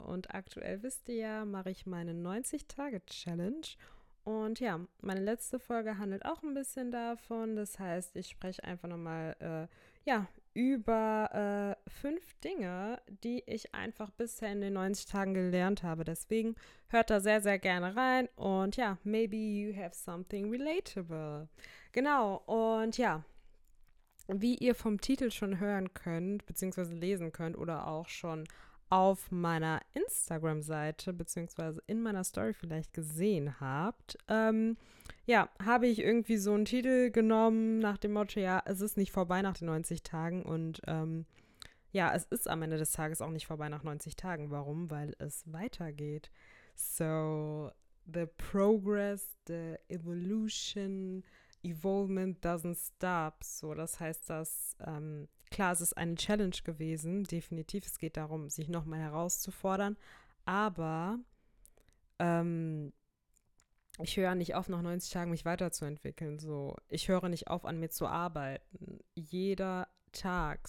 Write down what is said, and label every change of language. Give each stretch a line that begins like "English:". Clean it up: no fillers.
German: Und aktuell wisst ihr ja, mache ich meine 90-Tage-Challenge. Und ja, meine letzte Folge handelt auch ein bisschen davon. Das heißt, ich spreche einfach nochmal über 5 Dinge, die ich einfach bisher in den 90 Tagen gelernt habe. Deswegen hört da sehr, sehr gerne rein. Und ja,
English: maybe you have something relatable.
German: Genau, und ja, wie ihr vom Titel schon hören könnt, beziehungsweise lesen könnt oder auch schon auf meiner Instagram-Seite beziehungsweise in meiner Story vielleicht gesehen habt. Ja, habe ich irgendwie so einen Titel genommen nach dem Motto, ja, es ist nicht vorbei nach den 90 Tagen und ja, es ist am Ende des Tages auch nicht vorbei nach 90 Tagen. Warum? Weil es weitergeht.
English: So, the progress, the evolution, evolvement doesn't stop.
German: So, das heißt, dass klar, es ist eine Challenge gewesen, definitiv. Es geht darum, sich nochmal herauszufordern. Aber ich höre nicht auf, nach 90 Tagen mich weiterzuentwickeln. So, ich höre nicht auf, an mir zu arbeiten. Jeder Tag.